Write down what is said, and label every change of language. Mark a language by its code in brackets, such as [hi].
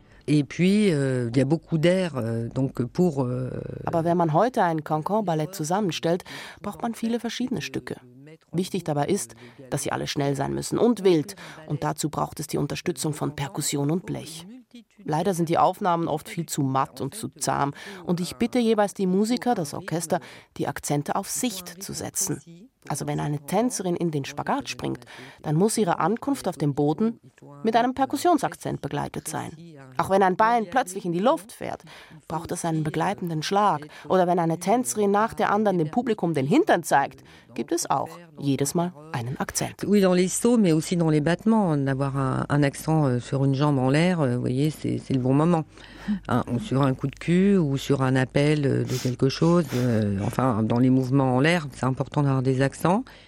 [fr] Et puis il y a beaucoup d'air donc pour [de] Aber wenn man heute ein Cancan-Ballett zusammenstellt, braucht man viele verschiedene Stücke. Wichtig dabei ist, dass sie alle schnell sein müssen und wild, und dazu braucht es die Unterstützung von Perkussion und Blech. Leider sind die Aufnahmen oft viel zu matt und zu zahm, und ich bitte jeweils die Musiker, das Orchester, die Akzente auf Sicht zu setzen. Also wenn eine Tänzerin in den Spagat springt, dann muss ihre Ankunft auf dem Boden mit einem Perkussionsakzent begleitet sein. Auch wenn ein Bein plötzlich in die Luft fährt, braucht es einen begleitenden Schlag. Oder wenn eine Tänzerin nach der anderen dem Publikum den Hintern zeigt, gibt es auch jedes Mal einen Akzent. [fr] Oui, dans les sauts, mais aussi dans les battements, d'avoir un accent sur une jambe en l'air, vous voyez, c'est le bon moment. Ou sur un coup de cul ou sur un appel de quelque chose, enfin dans les mouvements en l'air, c'est important d'avoir des accents.